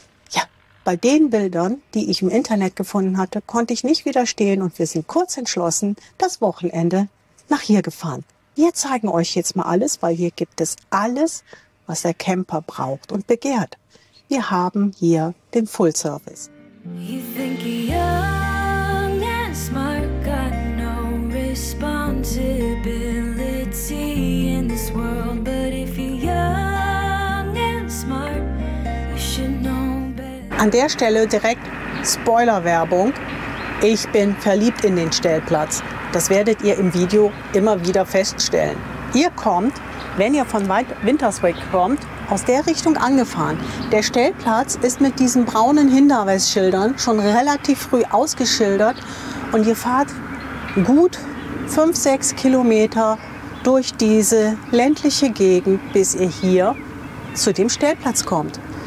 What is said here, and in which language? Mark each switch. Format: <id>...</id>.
<de>Ja, bei den Bildern, die ich im Internet gefunden hatte, konnte ich nicht widerstehen und wir sind kurz entschlossen, das Wochenende nach hier gefahren. Wir zeigen euch jetzt mal alles, weil hier gibt es alles, was der Camper braucht und begehrt. Wir haben hier den Full Service.</de> <en>You think you're young and smart, got no responsibility in this world. But if you're young and smart, you should know better.</en> <de>An der Stelle direkt Spoilerwerbung. Ich bin verliebt in den Stellplatz. Das werdet ihr im Video immer wieder feststellen. Ihr kommt, wenn ihr von Winterswijk kommt, aus der Richtung angefahren. Der Stellplatz ist mit diesen braunen Hinweisschildern schon relativ früh ausgeschildert und ihr fahrt gut 5-6 Kilometer durch diese ländliche Gegend, bis ihr hier zu dem Stellplatz kommt.</de>